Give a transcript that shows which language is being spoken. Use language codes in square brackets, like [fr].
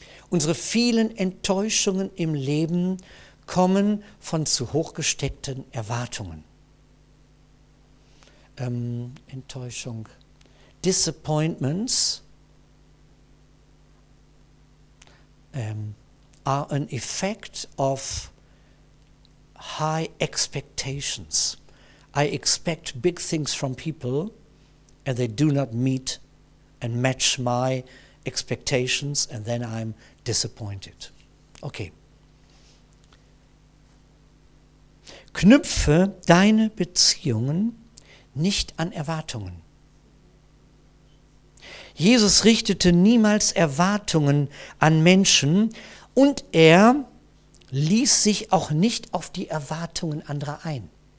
[de] Unsere vielen Enttäuschungen im Leben kommen von zu hoch gesteckten Erwartungen. Enttäuschung. [en] Disappointments are an effect of high expectations. I expect big things from people and they do not meet and match my expectations, and then I'm disappointed. Okay. [de] Knüpfe deine Beziehungen nicht an Erwartungen. Jesus richtete niemals Erwartungen an Menschen und er ließ sich auch nicht auf die Erwartungen anderer ein.